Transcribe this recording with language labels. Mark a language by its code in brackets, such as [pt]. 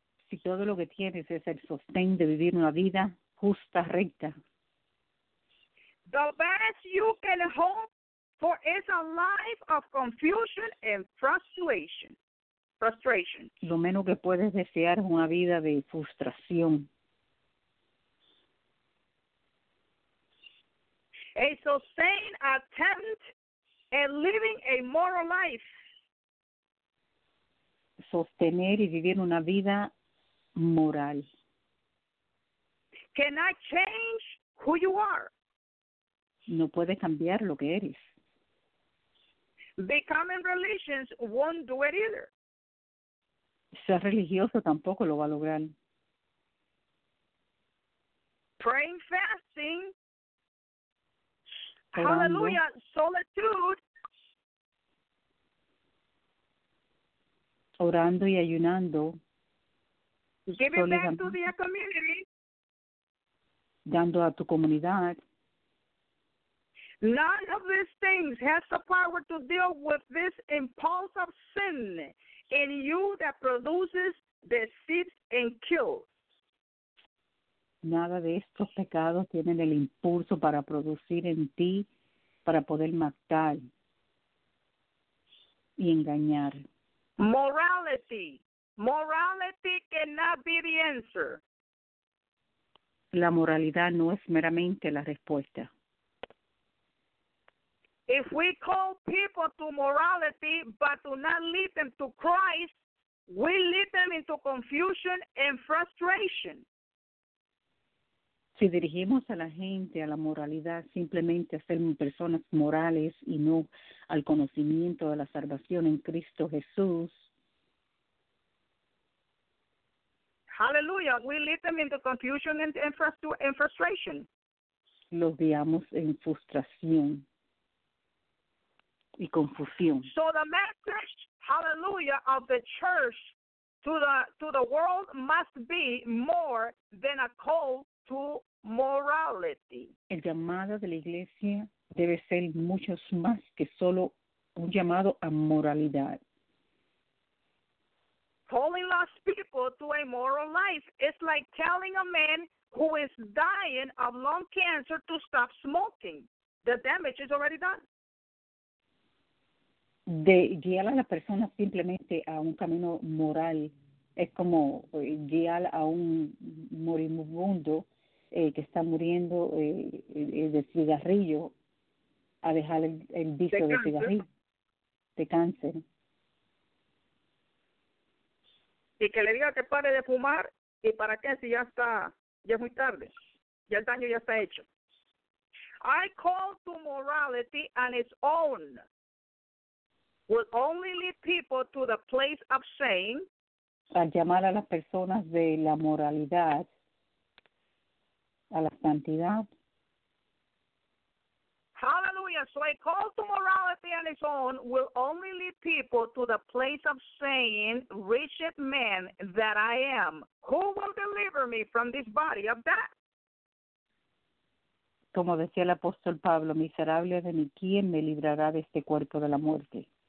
[es] si todo lo que tienes es el sostén de vivir una vida justa, recta, [en] the best you can hope for it's a life of confusion and frustration. Frustration. [es] Lo menos que puedes desear es una vida de frustración. [en] A sustained attempt at living a moral life. [es] Sostener y vivir una vida moral. [en] Cannot change who you are. [es] No puedes cambiar lo que eres. [en] Becoming religious won't do it either. [es] Ser religioso tampoco lo va a lograr. [en] Praying, fasting, orando. Hallelujah, solitude. [es] Orando y ayunando. [en] Giving back to the community. [es] Dando a tu comunidad. [en] None of these things has the power to deal with this impulse of sin in you that produces, deceives, and kills. [es] Nada de estos pecados tienen el impulso para producir en ti, para poder matar y engañar. [en] Morality. Morality cannot be the answer. [es] La moralidad no es meramente la respuesta. [en] If we call people to morality but do not lead them to Christ, we lead them into confusion and frustration. [es] Si dirigimos a la gente a la moralidad, simplemente a ser personas morales y no al conocimiento de la salvación en Cristo Jesús. [en] Hallelujah, we lead them into confusion and frustration. [es] Los guiamos en frustración. Y confusión. [en] So the message, hallelujah, of the church to the world must be more than a call to morality. [es] El llamado de la iglesia debe ser mucho más que solo un llamado a moralidad. [en] Calling lost people to a moral life is like telling a man who is dying of lung cancer to stop smoking. The damage is already done. [es] de guiar a la persona simplemente a un camino moral es como guiar a un moribundo que está muriendo de cigarrillo a dejar el vicio de cigarrillo, de cáncer. Y que le diga que pare de fumar, ¿y para qué si ya está, ya es muy tarde? Ya el daño ya está hecho. [en] I call to morality on its own will only lead people to the place of shame. [es] Al llamar a las personas de la moralidad a la santidad. [en] Hallelujah. So a call to morality on its own will only lead people to the place of saying, wretched man that I am, who will deliver me from this body of death? [es] Como decía el apóstol Pablo, miserable de mí, ¿quién me librará de este cuerpo de la muerte?